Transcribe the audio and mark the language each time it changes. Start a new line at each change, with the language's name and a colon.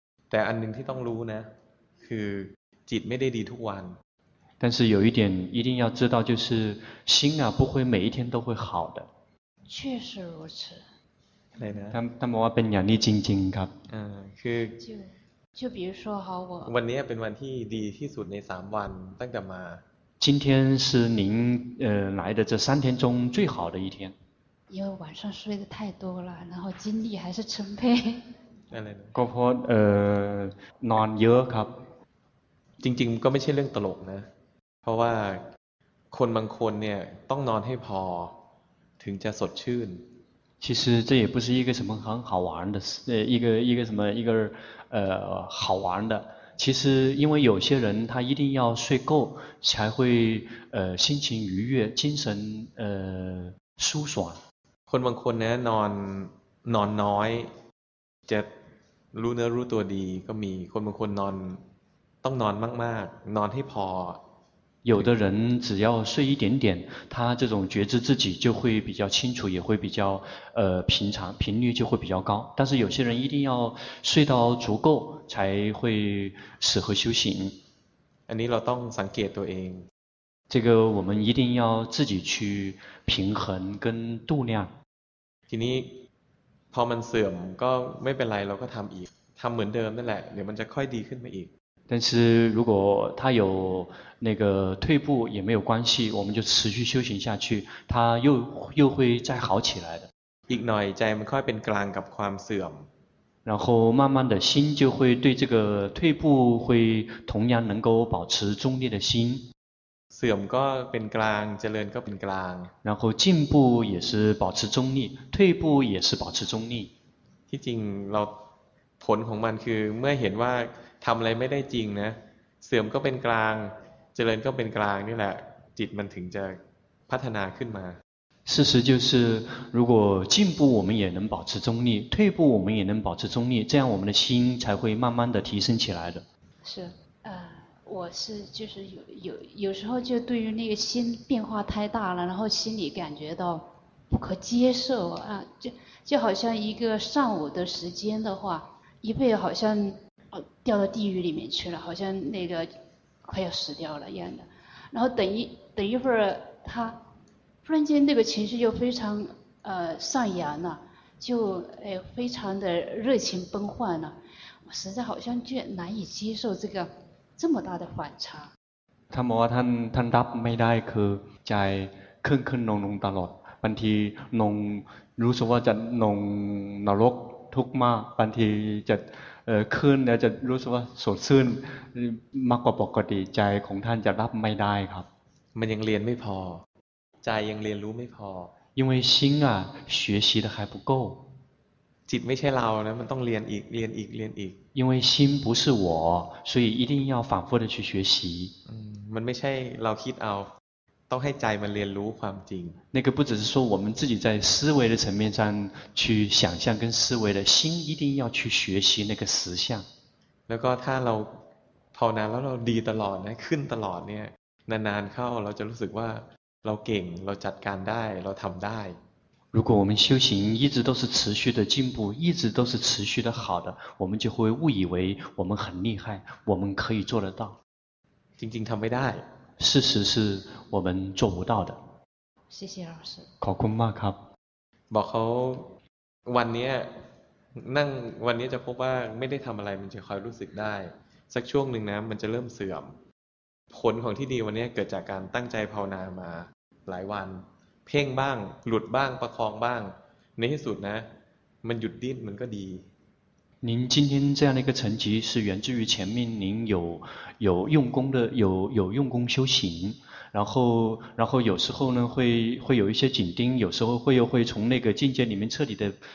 Thai: แต่อันนึงที่ต้องรู้นะคือจิตไม่ได้ดีทุกวัน
Chinese: 但是有一点一定要知道就是心啊不会每一天都会好的确实如此
Thai: ไหนนะ ท่านบอกว่าเป็นอย่างนี้จริงๆครับ คือ
Chinese: 就比如说好我
Thai: วันนี้เป็นวันที่ดีที่สุดใน3วันตั้งแต่มา
Chinese: 今天是您来的这三天中最好的一天因为晚上睡得太多了然后精力还是充沛
Thai: ก็เพราะนอนเยอะครับ จริงๆก็ไม่ใช่เรื่องตลกนะเพราะว่าคนบางคนเนี่ยต้องนอนให้พอถึงจะสดชื่น
Chinese: 其实这也不是一个什么很好玩的一个什么一个好玩的其实因为有些人他一定要睡够才会心情愉悦精神舒爽
Thai: คนบางคนเนี่ยนอนน้อยจะรู้เนื้อรู้ตัวดีก็มีคนบางคนนอนต้องนอนมากๆนอนให้พอ
Chinese: 有的人只要睡一点点他这种觉知自己就会比较清楚也会比较平常频率就会比较高但是有些人一定要睡到足够才会适合修行
Thai: อันนี้เราต้องสังเกตตัวเอง
Chinese: 这个我们一定要自己去平衡跟度量
Thai: ทีนี้พอมันเสื่อมก็ไม่เป็นไรเราก็ทำอีกทำเหมือนเดิมนั่นแหละเดี๋ยวมันจะค่อยดีขึ้นมาอีก
Chinese: 但是如果它有那个退步也没有关系我们就持续修行下去它又会再好起来的
Thai: อีกหน่อยใจมันค่อยเป็นกลางกับความเสื่อม
Chinese: 然后慢慢的心就会对这个退步会同样能够保持中立的心
Thai: เสื่อมก็เป็นกลางเจริญก็เป็นกลาง
Chinese: 然后进步也是保持中立退步也是保持中立
Thai: ที่จริงเราผลของมันคือเมื่อเห็นว่าทำอะไรไม่ได้จริงนะเสื่อมก็เป็นกลางเจริญก็เป็นกลางนี่แหละจิตมันถึงจะพัฒนาขึ้นมา
Chinese: 事实就是如果进步我们也能保持中立退步我们也能保持中立这样我们的心才会慢慢的提升起来的是我是就是有时候就对于那个心变化太大了然后心里感觉到不可接受啊就好像一个上午的时间的话一辈子好像掉到地狱里面去了好像那个快要死掉了一样的然后等一会儿他突然间那个情绪又非常上扬了就非常的热情奔放了我实在好像就难以接受这个这么大的反差
Thai: ท่านบอกว่าท่านรับไม่ได้คือใจขึ้นลงๆตลอดบางทีลงรู้สึกว่าจะลงนรกทุกข์มากบางทีจะขึ้นแล้วจะรู้สึกว่าสดชื่นมากกว่าปกติใจของท่านจะรับไม่ได้ครับ มันยังเรียนไม่พอใจยังเรียนรู้ไม่พอ
Chinese: 因为心啊学习的还不够
Thai: จิตไม่ใช่เรานะมันต้องเรียนอีกเรียนอีกเรียนอีก
Chinese: 因为心不是我所以一定要反复的去学习
Thai: มันไม่ใช่เราคิดเอาต้องให้ใจมันเรียนรู้ความจริง
Chinese: 那个不只是说我们自己在思维的层面上去想象跟思维的心一定要去学习那个实相
Thai: แล้วก็ถ้าเราภาวนาแล้วเราดีตลอดนะขึ้นตลอดเนี่ยนานๆเข้าเราจะรู้สึกว่าเราเก่งเราจัดการได้เราทำได้
Chinese: 如果我们修行一直都是持续的进步一直都是持续的好的我们就会误以为我们很厉害我们可以做得到
Thai: จริงๆทำไม่ได้
Chinese: 事实是我们做不到的谢谢老师
Thai: ขอบคุณมากครับ บอกเขาวันนี้นั่งวันนี้จะพบว่าไม่ได้ทำอะไรมันจะคอยรู้สึกได้สักช่วงหนึ่งนะมันจะเริ่มเสื่อมผลของที่ดีวันนี้เกิดจากการตั้งใจภาวนามาหลายวันเพ่งบ้างหลุดบ้างประคองบ้างในที่สุดนะมันหยุดดิ้นมันก็ดี
Chinese: 您今天这样的一个成绩是源自于前面您有用功的有用功修行然后有时候呢会有一些紧盯有时候会从那个境界里面彻底的